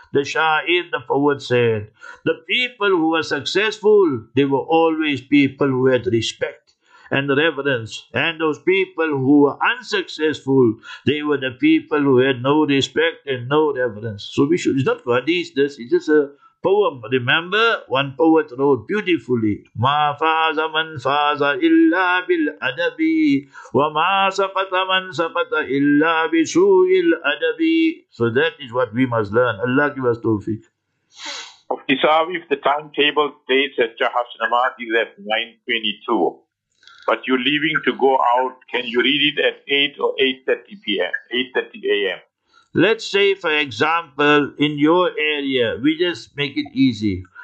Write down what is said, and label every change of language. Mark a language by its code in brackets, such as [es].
[en] The Shair, the poet, said, the people who were successful, they were always people who had respect and reverence. And those people who were unsuccessful, they were the people who had no respect and no reverence. So we should, it's not hadith this, it's just a poem. Remember, one poet wrote beautifully, [ar] مَا فَازَ مَنْ فَازَ إِلَّا بِالْأَدَبِ وَمَا سَقَطَ مَنْ سَقَطَ إِلَّا بِسُوءِ الْأَدَبِ. [en] So that is what we must learn. Allah give us tawfiq. Of the Sahib, if the timetable dates at Jahash Namad is at 9:22, but you're leaving to go out, can you read it at 8 or 8:30 p.m., 8:30 a.m.? Let's say, for example, in your area, we just make it easy.